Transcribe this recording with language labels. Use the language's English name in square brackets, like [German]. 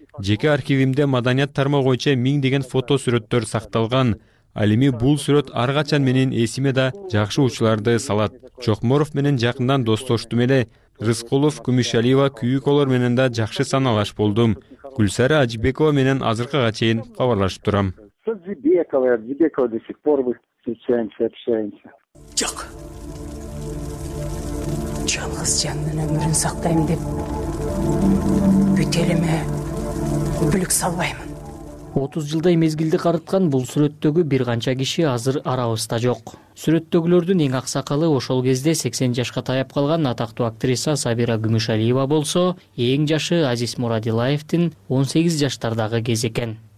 [Kyrgyz] Жеке архивимде маданият тармагы боюнча миң деген фото сүрөттөр сакталган. Ал эми бул сүрөт ар качан менин эсиме да жакшы учуларды салат. Чокморов менен жакындан достоштум эле. Рыскулов, Күмүшалиева, Күйүколор менен да жакшы саналаш болдум. Гүлсара Ажибекова менен азыркыга чейин кабарлашып турам. [Russian] Ажибекова до сих пор мы встречаемся, общаемся. [Kyrgyz] Жок. Жалгыз жандын өмүрүн сактайм деп бүт элиме бүлүк салбаймын. 30 жылдай мезгилди карыткан бул сүрөттөгү бир канча киши азыр арабызда жок. Сүрөттөгүлөрдүн эң аксакалы ошол кезде 80 жашка таяп калган атактуу актриса Сабира Күмүшалиева болсо, эң жашы Азиз Мурадилаевдин 18 жаштардагы кез экен.